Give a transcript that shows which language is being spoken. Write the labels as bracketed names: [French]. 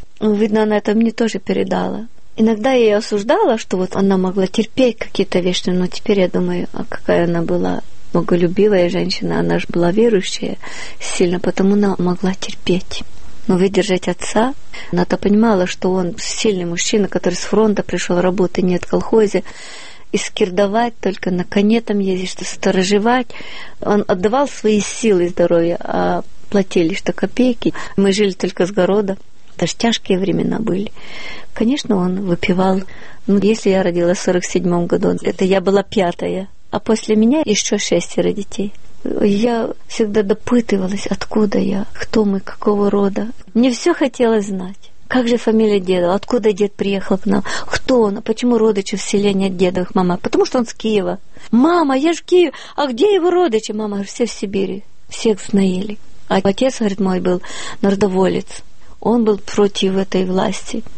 [Russian] Ну, видно, она это мне тоже передала. Иногда я ее осуждала, что вот она могла терпеть какие-то вещи, но теперь я думаю, а какая она была боголюбивая женщина, она же была верующая сильно, потому она могла терпеть. Но выдержать отца, она-то понимала, что он сильный мужчина, который с фронта пришел, работы нет в колхозе, [Ukrainian] іскірдавати, тільки на коні там їздити, щось сторожувати. Він віддавав свої сили і здоров'я, а платили ж то копійки. Ми жили тільки з городу. Это ж тяжкі времена були. Звісно, він випивав. Ну, якщо я родила в 47-му году, це я була п'ятая. А після мене ще шестеро дітей. Я завжди допитувалась, [Russian] откуда я, [Ukrainian] хто ми, [Russian] какого роду. [Ukrainian] Мені все хотілося знати. [Russian] Как же фамилия деда? Откуда дед приехал к нам? Кто он? А почему родичи в селе нет дедовых, мама? Потому что он с Киева. Мама, я же в Киеве. А где его родичи, мама? Все в Сибири. Всех знаили. А отец, говорит, мой был народоволец. Он был против этой власти.